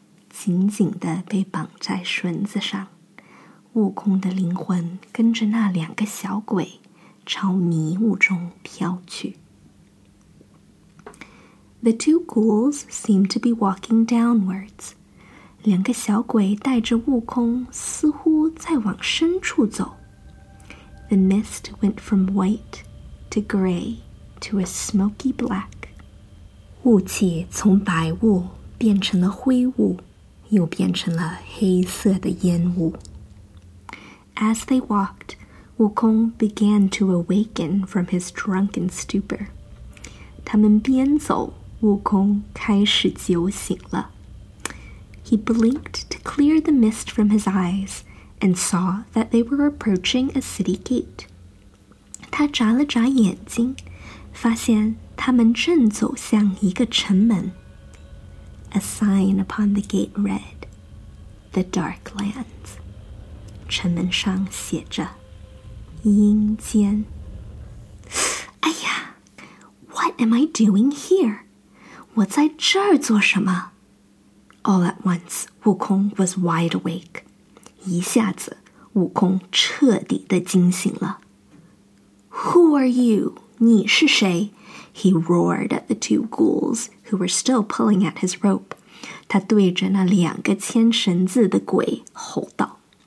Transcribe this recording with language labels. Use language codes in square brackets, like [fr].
[zh] 紧紧地被绑在绳子上，悟空的灵魂跟着那两个小鬼朝迷雾中飘去。 [en] The two ghouls seemed to be walking downwards. [zh] 两个小鬼带着悟空似乎在往深处走。 [en] The mist went from white to gray to a smoky black. [zh] 雾气从白雾变成了灰雾，又变成了黑色的烟雾。 [en] As they walked, 悟空 began to awaken from his drunken stupor. [zh] 他们边走悟空开始酒醒了。 [en] He blinked to clear the mist from his eyes and saw that they were approaching a city gate. [zh] 他眨了眨眼睛，发现他们正走向一个城门。 [en] A sign upon the gate read, The Dark Lands. [zh] 城门上写着阴间。 [en] 哎呀， What am I doing here? [zh] 我在这儿做什么? [en] All at once, Wukong was wide awake. [zh] 一下子,悟空彻底地惊醒了。 [en] Who are you? [zh] 你是谁? [en] He roared at the two ghouls who were still pulling at his rope. [zh] 他对着那两个牵绳子的鬼吼道。